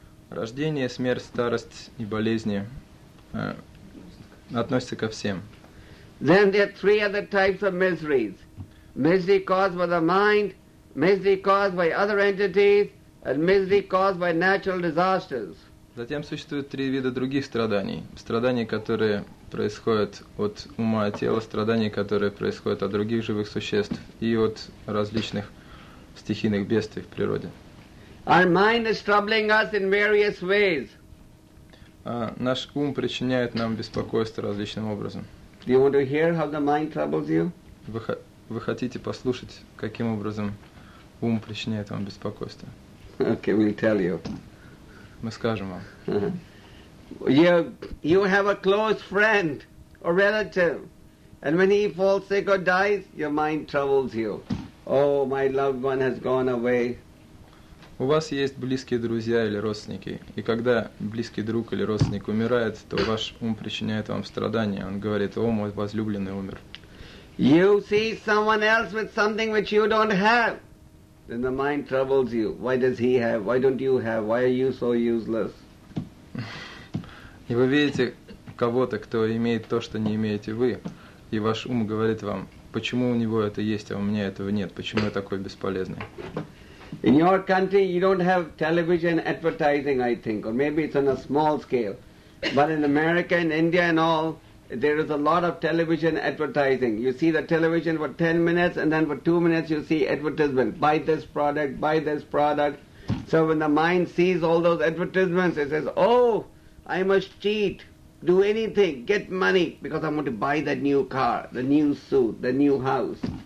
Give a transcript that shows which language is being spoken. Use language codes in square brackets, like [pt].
[ru] Рождение, смерть, старость и болезни относятся ко всем. [en] Then there are three other types of miseries. Misery caused by the mind, misery caused by other entities, and misery caused by natural disasters. [ru] Затем существует три вида других страданий. Страдания, которые происходят от ума и тела, страдания, которые происходят от других живых существ и от различных стихийных бедствий в природе. [en] Our mind is troubling us in various ways. [ru] Наш ум причиняет нам беспокойство различным образом. [en] Do you want to hear how the mind troubles you? [ru] Вы хотите послушать, каким образом ум причиняет вам беспокойство? [en] Okay, we'll tell you. [ru] Мы скажем вам. [en] You have a close friend or relative, and when he falls sick or dies, your mind troubles you. Oh, my loved one has gone away. [ru] У вас есть близкие друзья или родственники, и когда близкий друг или родственник умирает, то ваш ум причиняет вам страдания. Он говорит: «О, мой возлюбленный умер». [en] You see someone else with something which you don't have. Then the mind troubles you. Why does he have? Why don't you have? Why are you so useless? [ru] И вы видите кого-то, кто имеет то, что не имеете вы, и ваш ум говорит вам, почему у него это есть, а у меня этого нет, почему я такой бесполезный. [en] In your country you don't have television advertising, I think, or maybe it's on a small scale. But in America and India and all, there is a lot of television advertising. You see the television for 10 minutes and then for 2 minutes you see advertisement. Buy this product, buy this product. So when the mind sees all those advertisements, it says, oh, I must cheat, do anything, get money, because I'm going to buy that new car, the new suit, the new house.